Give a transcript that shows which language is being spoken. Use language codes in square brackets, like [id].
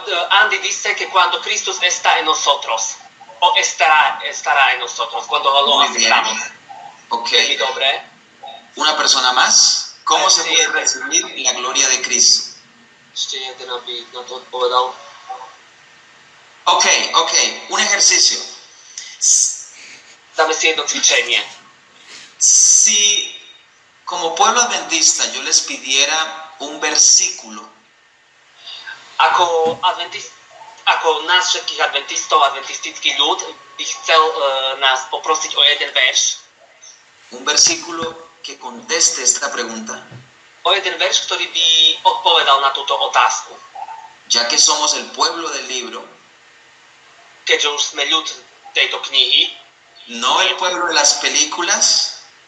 [es] Andy dice que cuando Cristo está en nosotros, o estará en nosotros, cuando lo necesitamos. Ok. Muy [sk] dobre. [es] Una persona más. ¿Cómo se puede recibir la gloria de Cristo? [sk] Ještě jeden, aby na to odpovedal. [es] Ok, ok. Un ejercicio. [sk] Dame si jedno cvičenie. [es] Si como pueblo adventista yo les pidiera un versículo, [sk] ako adventist, ako nás všetkých adventistov, adventistický ľud by chcel nás poprosiť o jeden verš. [es] Un versículo que conteste esta pregunta. [sk] O jeden verš, ktorý by odpovedal na túto otázku. [es] Ya que somos el pueblo del libro. [sk] Keďže už sme ľud tejto knihy. [es] No el pueblo de las películas.